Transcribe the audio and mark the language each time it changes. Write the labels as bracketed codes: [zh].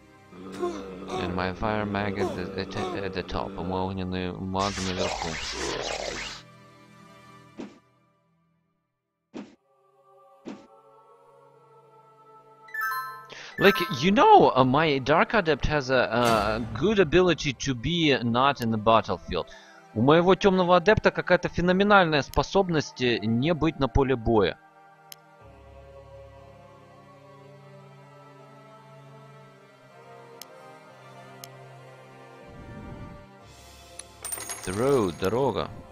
[en] And my fire mag is at the top. [ru] А мой огненный маг наверху. [en] Like, you know, my dark adept has a good ability to be not in the battlefield. [ru] У моего темного адепта какая-то феноменальная способность не быть на поле боя. [en] The road, дорога.